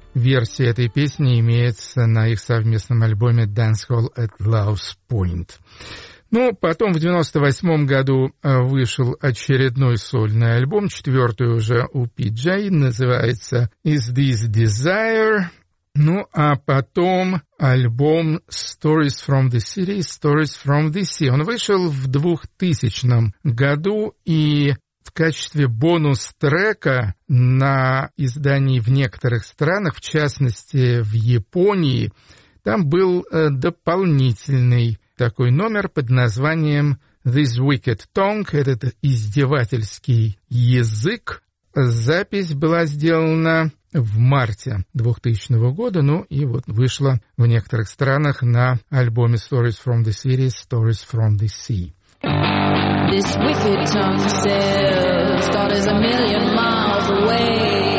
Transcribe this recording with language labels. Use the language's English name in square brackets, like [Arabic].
[Russian] Версия этой песни имеется на их совместном альбоме Dancehall at Love's Point. Ну, потом в 98 году вышел очередной сольный альбом, четвертый уже у Пиджей, называется Is This Desire? Ну, а потом альбом Stories from the City, Stories from the Sea. Он вышел в 2000 году, и в качестве бонус-трека на издании в некоторых странах, в частности в Японии, там был дополнительный такой номер под названием This Wicked Tongue, этот издевательский язык. Запись была сделана в марте 2000 года, ну и вот вышла в некоторых странах на альбоме Stories from the City, Stories from the Sea. [English] This wicked tongue says God is a million miles away.